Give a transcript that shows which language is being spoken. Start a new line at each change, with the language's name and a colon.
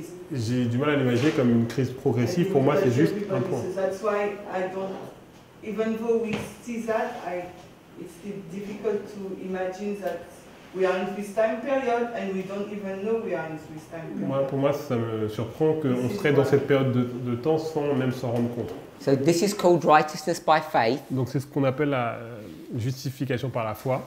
French: J'ai du mal à l'imaginer comme une crise progressive. Pour moi, c'est juste un point.
English: That's why I don't. Even though we see that, it's still difficult to imagine that we are in this time period and we don't even know we are in this time period.
French: Pour moi, ça me surprend qu'on serait dans cette période de temps sans même s'en rendre compte.
English: So this is called righteousness by faith.
French: Donc c'est ce qu'on appelle la justification par la foi.